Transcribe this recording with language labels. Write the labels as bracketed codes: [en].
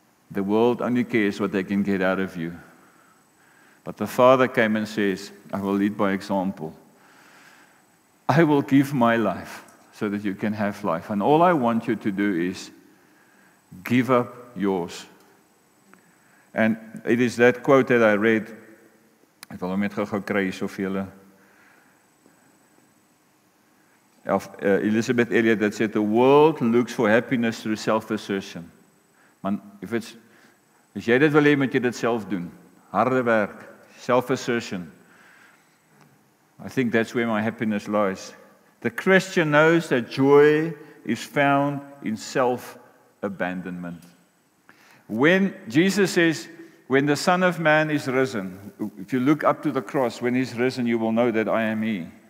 [en] The world only cares what they can get out of you. But the Father came and says, I will lead by example. I will give my life so that you can have life. And all I want you to do is give up yours. And it is that quote that I read. [af] Ek wil hom net gou kry so vir julle. [en] Elizabeth Elliot that said, the world looks for happiness through self-assertion. [af] Man, as jy dit wil hê, moet jy dit self doen. Harde werk, self-assertion. [en] I think that's where my happiness lies. The Christian knows that joy is found in self-abandonment. When Jesus says, when the Son of Man is risen, if you look up to the cross, when He's risen, you will know that I am He.